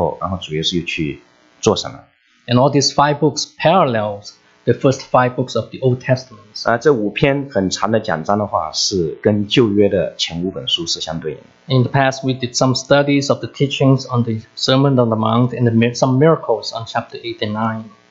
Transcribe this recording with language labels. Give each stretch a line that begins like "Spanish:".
Chinese: 每一篇很长的讲章之后，都说主耶稣说了这些之后，然后主耶稣又去做什么。
English: And all these five books parallels the first five books of the Old Testament.
Chinese: 这五篇很长的讲章的话，是跟旧约的前五本书是相对应的。
English: In the past, we did some studies of the teachings on the Sermon on the Mount and some miracles on chapter 8 and 9.